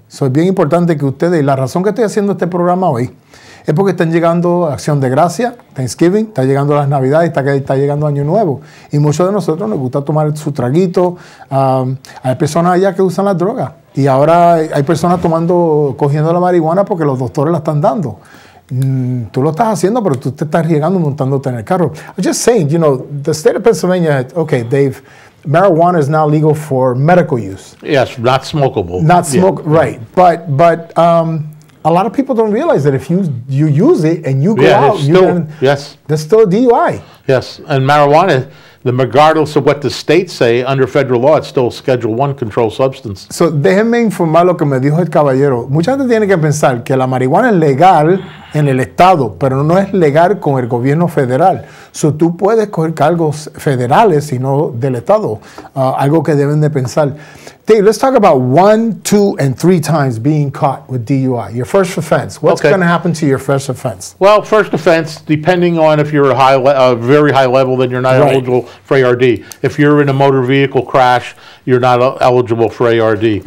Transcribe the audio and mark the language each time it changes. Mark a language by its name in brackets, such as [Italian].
[Spanish] So, es bien importante que ustedes, y la razón que estoy haciendo este programa hoy, es porque están llegando Acción de Gracia, Thanksgiving, está llegando las Navidades, está llegando Año Nuevo. Y muchos de nosotros nos gusta tomar su traguito. Hay personas allá que usan las drogas. Y ahora hay personas cogiendo la marihuana porque los doctores la están dando. Tú lo estás haciendo, pero tú te estás riegando montándote en el carro. [English] I'm just saying, you know, the state of Pennsylvania, okay, Dave, marijuana is now legal for medical use. Yes, not smokable. Not smoke, yeah. Right. But a lot of people don't realize that if you use it and you go there's still a DUI. Yes, and marijuana, regardless of what the states say, under federal law, it's still a Schedule 1 controlled substance. [Spanish] So, déjenme informar lo que me dijo el caballero. Mucha gente tiene que pensar que la marihuana es legal en el estado, pero no es legal con el gobierno federal. So, tú puedes coger cargos federales y no del estado. Algo que deben de pensar. [English] Dave, let's talk about 1, 2, and 3 times being caught with DUI. Your first offense. What's going to happen to your first offense? Well, first offense, depending on if you're a very high level, then you're not eligible for ARD. If you're in a motor vehicle crash, you're not eligible for ARD.